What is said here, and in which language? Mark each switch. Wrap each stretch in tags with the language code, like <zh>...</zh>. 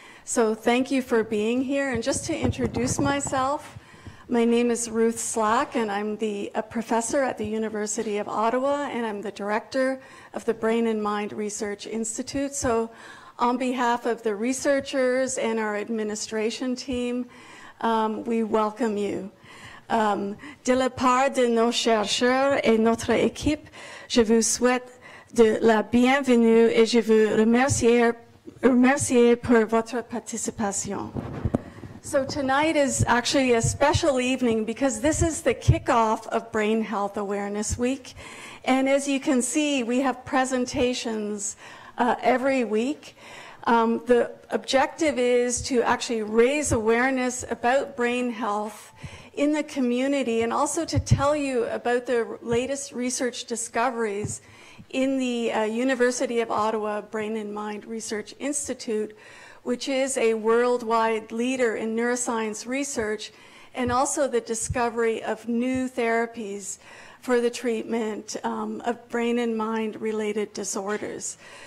<en>So thank you for being here. And just to introduce myself, my name is Ruth Slack, and I'm a professor at the University of Ottawa, and I'm the director of the Brain and Mind Research Institute. So on behalf of the researchers and our administration team, we welcome you.</en> <fr>De la part de nos chercheurs et notre équipe, je vous souhaite de la bienvenue et je vous remercie pour votre participation.</fr> <en>So tonight is actually a special evening because this is the kickoff of Brain Health Awareness Week. And as you can see, we have presentations every week. The objective is to actually raise awareness about brain health in the community and also to tell you about the latest research discoveries in the University of Ottawa Brain and Mind Research Institute, which is a worldwide leader in neuroscience research, and also the discovery of new therapies for the treatment of brain and mind related disorders.</en>